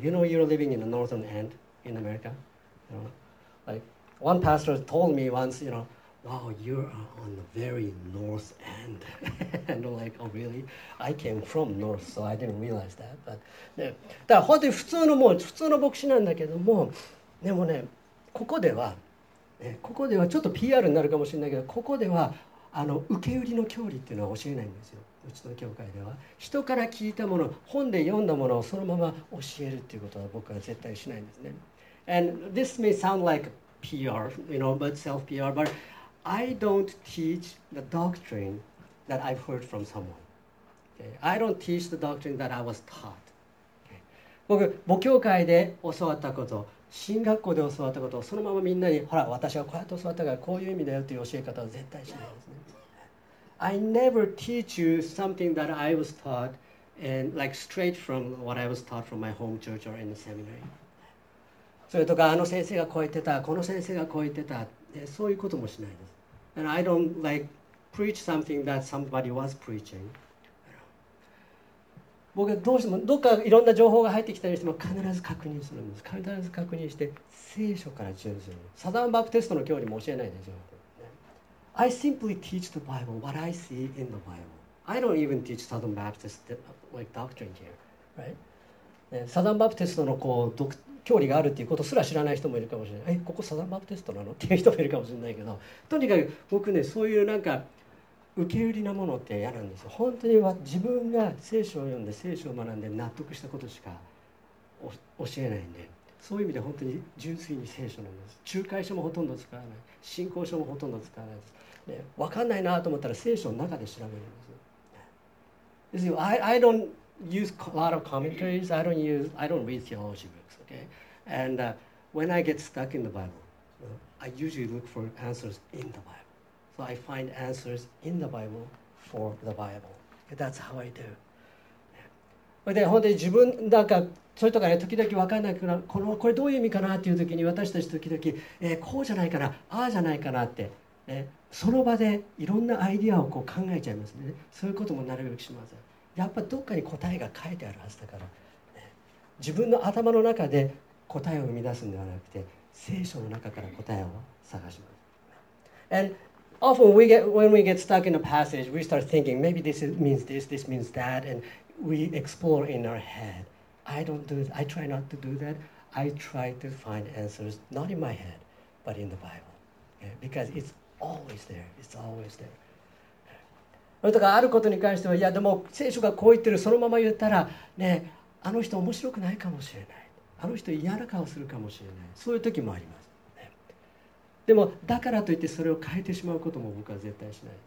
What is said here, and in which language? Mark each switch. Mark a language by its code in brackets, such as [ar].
[en] You know you're living in the northern end in America? You know? Like, one pastor told me once, you know,Wow, you are on the very north end. And I'm like, oh really? I came from north, so I didn't realize that. [ja] But, ね、だから本当に普通のもう普通の牧師なんだけども、でもね、ここでは、ね、ここではちょっと PR になるかもしれないけど、ここではあの受け売りの教理っていうのは教えないんですよ。うちの教会では。人から聞いたもの、本で読んだものをそのまま教えるっていうことは僕は絶対しないんですね。 [en] And this may sound like PR, you know, but self-PR, butI don't teach the doctrine that I've heard from someone. Okay? I don't teach the doctrine that I was taught. Okay? [ja] 僕、母教会で教わったこと、神学校で教わったことをそのままみんなに、ほら、私はこうやって教わったからこういう意味だよという教え方は絶対しないですね。 [en] I never teach you something that I was taught and like straight from what I was taught from my home church or in the seminary. [ja] それとか、あの先生がこう言ってた、この先生がこう言ってた、そういうこともしないです。 [en] And I don't like preach something that somebody was preaching. [ja] 僕はどうしてもどっかいろんな情報が入ってきたりしても必ず確認するんです。必ず確認して聖書から順々に。サザンバプテストの教理も教えないでしょう。 [en] I simply teach the Bible what I see in the Bible. I don't even teach Southern Baptist like doctrine here. Right? [ja] サザンバプテストのこう教理があるっていうことすら知らない人もいるかもしれない。え、ここサザンバプテストなのっていう人もいるかもしれないけど、とにかく僕ね、そういうなんか受け売りなものって嫌なんですよ。本当には自分が聖書を読んで聖書を学んで納得したことしか教えないんで、そういう意味で本当に純粋に聖書なんです。仲介書もほとんど使わない、信仰書もほとんど使わないです。で、分かんないなと思ったら聖書の中で調べるんです。 [en] This is, I don't use a lot of commentaries. I don't read theology booksOkay? And when I get stuck in the Bible, I usually look for answers in the Bible. So I find answers in the Bible for the Bible. That's how I do. [ja] で、本当に自分なんかそれとかね、時々分からないから、これどういう意味かなっていう時に、私たち時々、こうじゃないかな、ああじゃないかなって、ね、その場でいろんなアイディアをこう考えちゃいますね。そういうこともなるべくしません。やっぱどっかに答えが書いてあるはずだから。自分の頭の中で答えを生み出すんではなくて、聖書の中から答えを探します。 [en] And often when we get stuck in a passage, we start thinking, maybe this means this, this means that, and we explore in our head. I don't do that. I try not to do that. I try to find answers, not in my head, but in the Bible. Okay? Because it's always there. [ja] It's always there. とかあることに関しては、いやでも聖書がこう言ってる、そのまま言ったら、ね、あの人面白くないかもしれない、あの人嫌な顔するかもしれない、そういう時もあります、ね、でもだからといってそれを変えてしまうことも僕は絶対し